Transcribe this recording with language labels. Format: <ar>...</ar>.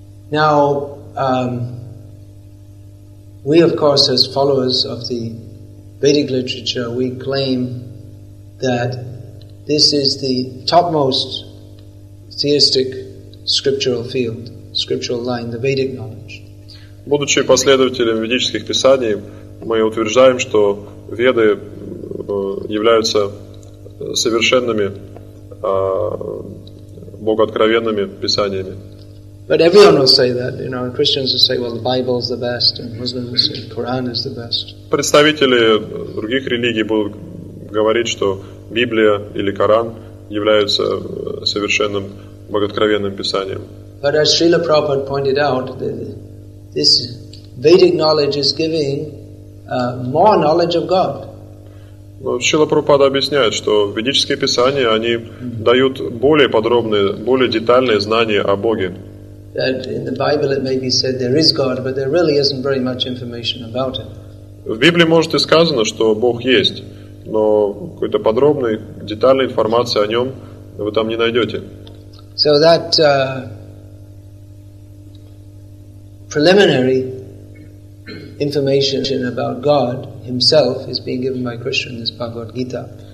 <en>Now, we, of course, as followers of the Vedic literature, we claim that this is the topmost theistic scriptural field, scriptural line, the Vedic knowledge.</en> <ru>Будучи последователями ведических писаний, мы утверждаем, что Веды являются совершенными богооткровенными писаниями.</ru> <en>But everyone will say that, you know, Christians will say, well, the Bible is the best, and Muslims will say, the Quran is the best.</en> <ru>Представители других религий будут говорить, что Библия или Коран являются совершенным богооткровенным писанием.</ru> <en>But as Srila Prabhupada pointed out, this Vedic knowledge is giving more knowledge of God.</en> <ru>Шрила Прабхупада объясняет, что ведические писания, они дают более подробные, более детальные знания о Боге.</ru> <en>That in the Bible it may be said there is God, but there really isn't very much information about it.</en> <ru>В Библии может и сказано, что Бог есть, но какой-то подробной, детальной информации о нем вы там не найдете.</ru> <en>So that preliminary information about God himself is being given by Krishna in this Bhagavad Gita.</en>